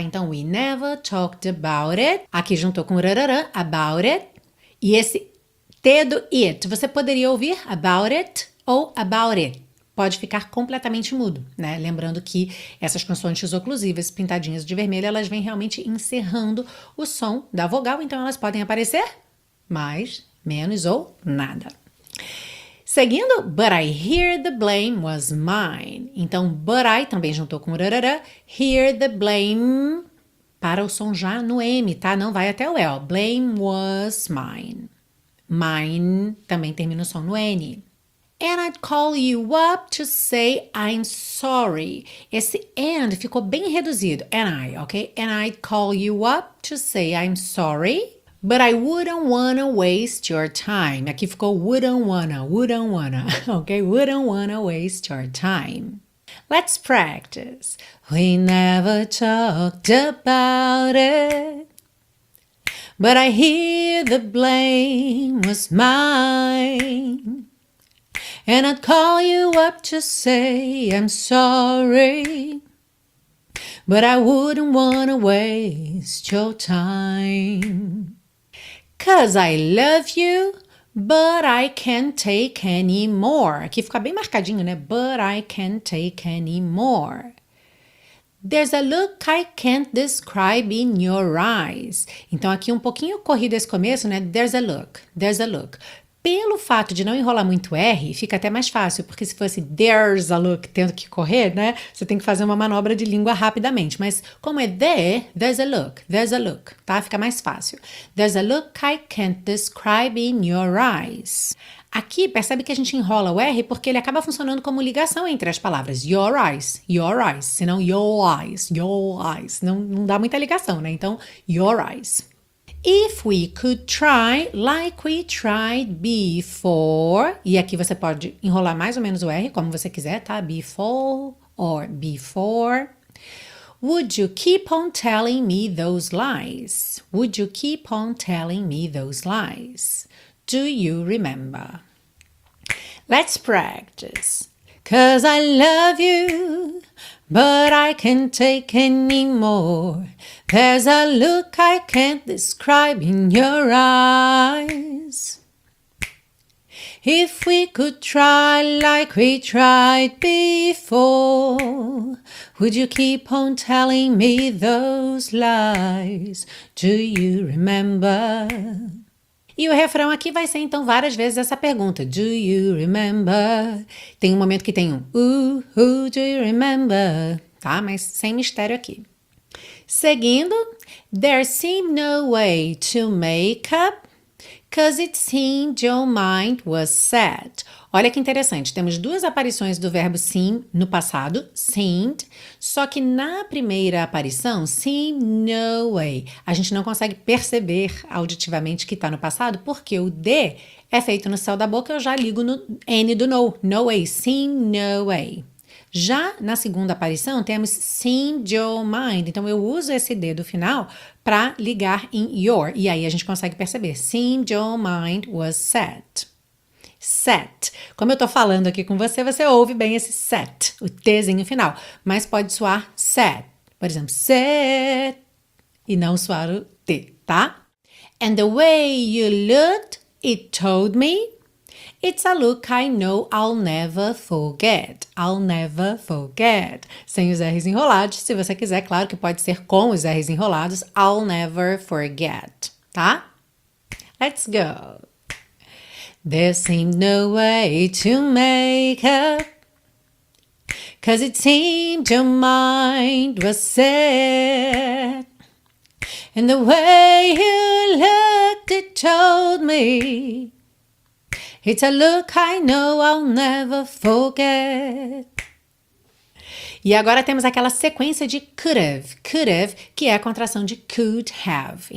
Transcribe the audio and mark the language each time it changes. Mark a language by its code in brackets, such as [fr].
[pt] Então, We Never Talked About It, aqui juntou com rararã, About It, e esse T do it, você poderia ouvir [en] about it ou about it. [pt] Pode ficar completamente mudo, né? Lembrando que essas consoantes oclusivas pintadinhas de vermelho, elas vêm realmente encerrando o som da vogal, então elas podem aparecer mais, menos ou nada. [en] Seguindo, but I hear the blame was mine. [pt] Então, [en] but I [pt] também juntou com rarará, [en] hear the blame [pt] para o som já no M, tá? Não vai até o L. [en] Blame was mine. Mine [pt] também termina o som no N. [en] And I'd call you up to say I'm sorry. [pt] Esse and ficou bem reduzido. [en] And I, ok? And I'd call you up to say I'm sorry. But I wouldn't wanna waste your time. [pt] Aqui ficou [en] wouldn't wanna, ok? Wouldn't wanna waste your time. Let's practice. We never talked about it. But I hear the blame was mine. And I'd call you up to say I'm sorry. But I wouldn't wanna waste your time. 'Cause I love you, but I can't take any more. [pt] Aqui fica bem marcadinho, né? [en] But I can't take any more. There's a look I can't describe in your eyes. [pt] Então, aqui um pouquinho corrido esse começo, né? [en] There's a look, there's a look. [pt] Pelo fato de não enrolar muito R, fica até mais fácil, porque se fosse [en] there's a look, [pt] tendo que correr, né? Você tem que fazer uma manobra de língua rapidamente. Mas como é [en] there's a look, there's a look, [pt] tá? Fica mais fácil. [en] There's a look I can't describe in your eyes. [pt] Aqui, percebe que a gente enrola o R porque ele acaba funcionando como ligação entre as palavras [en] your eyes, [pt] senão your eyes, não dá muita ligação, né? Então, [en] your eyes. If we could try like we tried before, [pt] e aqui você pode enrolar mais ou menos o R como você quiser, tá? [en] Before or before. Would you keep on telling me those lies? Would you keep on telling me those lies? Do you remember? Let's practice. 'Cause I love you, but I can't take any more. There's a look I can't describe in your eyes. If we could try like we tried before, would you keep on telling me those lies? Do you remember? [pt] E o refrão aqui vai ser, então, várias vezes essa pergunta. [en] Do you remember? [pt] Tem um momento que tem um [en] do you remember? [pt] Tá? Mas sem mistério aqui. Seguindo. [en] There seemed no way to make up, 'cause it seemed your mind was set. [pt] Olha que interessante. Temos duas aparições do verbo seem no passado, seemed. Só que na primeira aparição, [en] seem no way. [pt] A gente não consegue perceber auditivamente que está no passado, porque o D é feito no céu da boca, eu já ligo no N do no. [en] No way, seem no way. [pt] Já na segunda aparição, temos [en] sing your mind. [pt] Então, eu uso esse dedo final para ligar em your. E aí a gente consegue perceber. [en] Sing your mind was set. Set. [pt] Como eu estou falando aqui com você, você ouve bem esse set, o tzinho final. Mas pode soar set. Por exemplo, set. E não soar o t, tá? [en] And the way you looked, it told me. It's a look I know I'll never forget. I'll never forget. [pt] Sem os R's enrolados, se você quiser, claro que pode ser com os R's enrolados. [en] I'll never forget, tá? Let's go. There seemed no way to make up. Cause it seemed your mind was set. And the way you looked, it told me. It's a look I know I'll never forget. [pt] E agora temos aquela sequência de could have, que é a contração de could have.